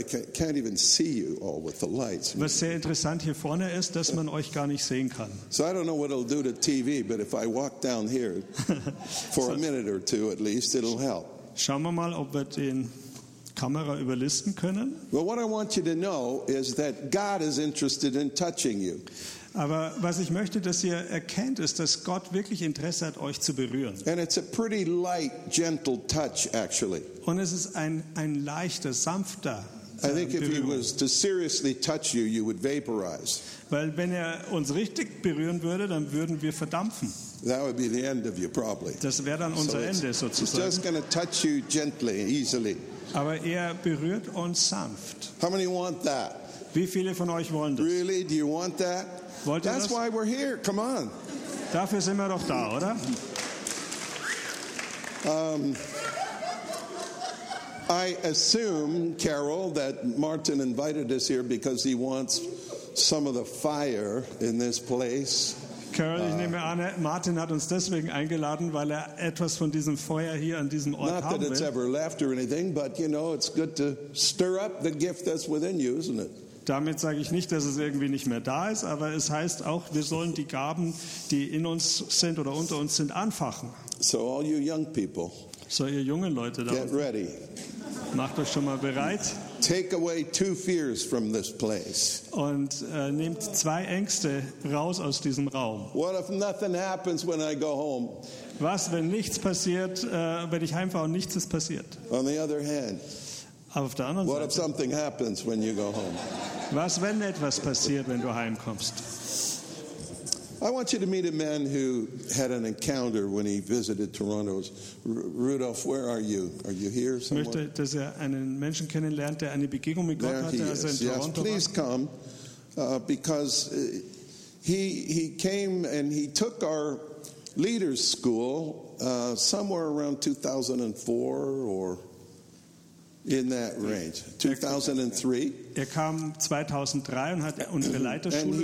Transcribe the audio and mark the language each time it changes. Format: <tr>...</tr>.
<de>Was sehr interessant hier vorne ist, dass man euch gar nicht sehen kann.</de> <en>So I don't know what it'll do to TV, but if I walk down here for a minute or two at least, it'll help.</en> <de>Schauen wir mal, ob wir den Kamera überlisten können.</de> <en>Well, what I want you to know is that God is interested in touching you.</en> <de>Aber was ich möchte, dass ihr erkennt, ist, dass Gott wirklich Interesse hat, euch zu berühren.</de> <en>And it's a pretty light, gentle touch, actually.</en> <de>Und es ist ein leichter, sanfter Berührung.</de> <en>I think if he was to seriously touch you, you would vaporize.</en> <de>Weil wenn er uns richtig berühren würde, dann würden wir verdampfen.</de> <en>That would be the end of you, probably.</en> <de>Das wäre dann unser Ende, sozusagen.</de> <en>He's just going to touch you gently, easily.</en> <de>Aber er berührt uns sanft.</de> <en>How many want that?</en> <de>Wie viele von euch wollen das?</de> <en>Really? Do you want that?</en> <de>Wollt</de> <en>That's</en> <de>das?</de> <en>Why we're here. Come on.</en> <de>Dafür sind wir doch da, oder?</de> <en>I assume, Carol, that Martin invited us here because he wants some of the fire in this place.</en> <de>Carol, ich nehme an, Martin hat uns deswegen eingeladen, weil er etwas von diesem Feuer hier an diesem Ort haben will.</de> <en>Not that it's ever left or anything, but you know, it's good to stir up the gift that's within you, isn't it?</en> <de>Damit sage ich nicht, dass es irgendwie nicht mehr da ist, aber es heißt auch, wir sollen die Gaben, die in uns sind oder unter uns sind, anfachen.</de> <en>So all you young people,</en> <de>so ihr jungen Leute da,</de> <en>get ready.</en> <de>Macht euch schon mal bereit.</de> <en>Take away two fears from this place.</en> <de>Und nehmt zwei Ängste raus aus diesem Raum.</de> <en>What if nothing happens when I go home?</en> <de>Was, wenn nichts passiert, wenn ich heimfahre und nichts ist passiert?</de> <en>On the other hand,</en> <de>auf der anderen</de> <en>what</en> <de>Seite,</de> <en>if something happens when you go home?</en> <de>Was, wenn etwas passiert, wenn du heimkommst?</de> <en>I want you to meet a man who had an encounter when he visited Toronto. Rudolph, where are you? Are you here somewhere?</en> <de>Möchte, dass er einen Menschen kennenlernt, der eine Begegnung mit Gott</de> <en>there</en> <de>hatte, als er in Toronto</de> <en>yes, Please come, because he came and he took our leaders' school somewhere around 2004 or in that range, 2003.</en> <de>Er kam 2003 und hat unsere Leiterschule</de>